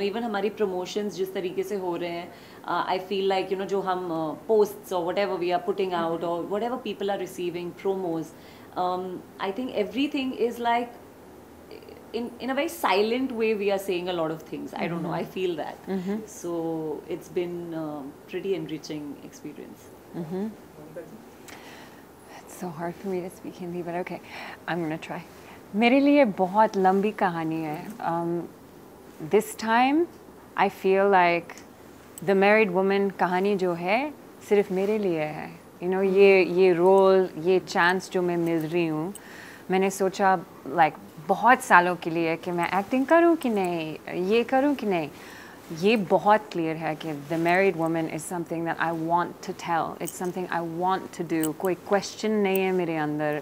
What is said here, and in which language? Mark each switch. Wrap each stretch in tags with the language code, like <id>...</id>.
<en>even</en> <hi>हमारी promotions जिस तरीके से हो रहे हैं</hi> <en>I feel like you know जो हम posts और whatever we are putting out और whatever people are receiving promos I think everything is like In a very silent way, we are saying a lot of things. I don't know. I feel that. So it's been a pretty enriching experience. It's so hard for me to speak Hindi, but okay, I'm gonna try.</en> <hi>मेरे लिए बहुत लंबी कहानी है.</hi> <en>This time, I feel like the married woman</en> <hi>कहानी जो है सिर्फ मेरे लिए है.</hi> <en>You know,</en> <hi>ये role, ये chance जो मैं मिल रही हूँ, मैंने सोचा like बहुत सालों के लिए कि मैं एक्टिंग करूं कि नहीं, ये करूं कि नहीं. ये बहुत क्लियर है कि</hi> <en>The married woman is something that I want to tell. It's something I want to do.</en> <hi>कोई क्वेश्चन नहीं है मेरे अंदर.</hi>